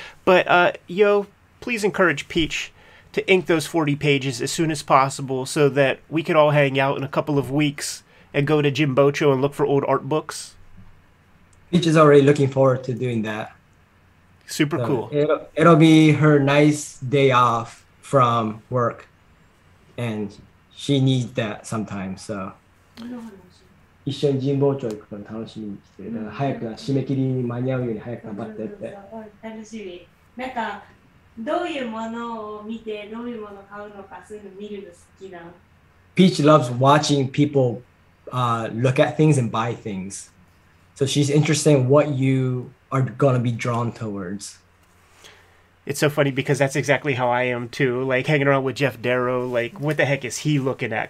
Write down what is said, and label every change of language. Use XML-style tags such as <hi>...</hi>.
<en>But Yo, please encourage Peach to ink those 40 pages as soon as possible so that we could all hang out in a couple of weeks and go to Jimbocho and look for old art books. Peach is already looking forward to doing that. Super so cool. It'll be her nice day off from work, and she needs that sometimes.</en> <ja>So, 一緒に神保町行くから楽しみにして、だから早く締め切りに間に合うように早く頑張ってって。楽しみ。なんかどういうものを見て、どういうものを買うのか、そういうの見るの好きなの。</ja> <en>Peach loves watching people look at things and buy things. So she's interested in what you are going to be drawn towards. It's so funny because that's exactly how I am too. Like hanging around with Jeff Darrow, like what the heck is he looking at?</en>